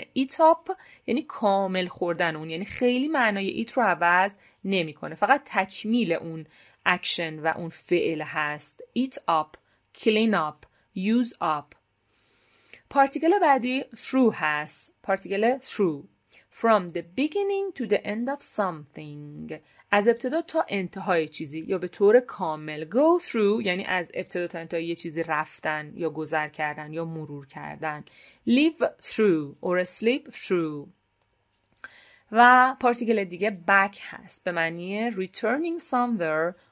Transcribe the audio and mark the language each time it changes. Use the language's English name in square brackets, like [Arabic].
[Persian] Eat up یعنی کامل خوردن اون. یعنی خیلی معنای eat رو عوض نمی کنه. فقط تکمیل اون action و اون فعل هست. [English] Eat up, clean up, use up. [Persian] پارتیکل بعدی through هست. پارتیکل through. [English] From the beginning to the end of something. [Persian] از ابتدا تا انتهای چیزی یا به طور کامل. Go through یعنی از ابتدا تا انتهای یه چیزی رفتن یا گذر کردن یا مرور کردن. [English] Live through or sleep through. [Persian] و پارتیکل دیگه back هست. به معنی [English] returning somewhere